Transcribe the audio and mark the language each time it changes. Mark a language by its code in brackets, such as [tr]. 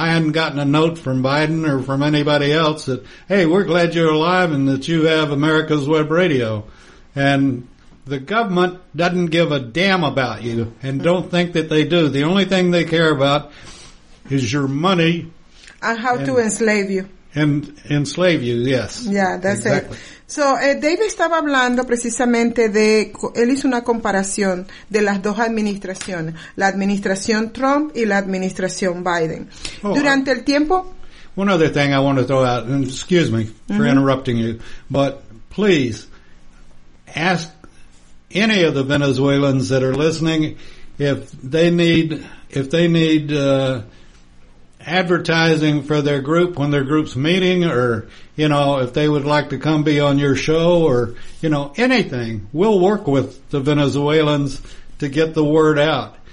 [en] I hadn't gotten a note from Biden or from anybody else that, hey, we're glad you're alive and that you have America's Web Radio. And the government doesn't give a damn about you, and don't think that they do. The only thing they care about is your money. And how to enslave you. And enslave you, yes. Yeah, that's exactly. It. [es] So, David estaba hablando precisamente de, él hizo una comparación de las dos administraciones, la administración Trump y la administración Biden. Durante el tiempo... [en] One other thing I want to throw out, and excuse me for mm-hmm. interrupting you, but please ask any of the Venezuelans that are listening, if they need advertising for their group when their group's meeting, or, you know, if they would like to come be on your show, or, you know, anything, we'll work with the Venezuelans to get the word out.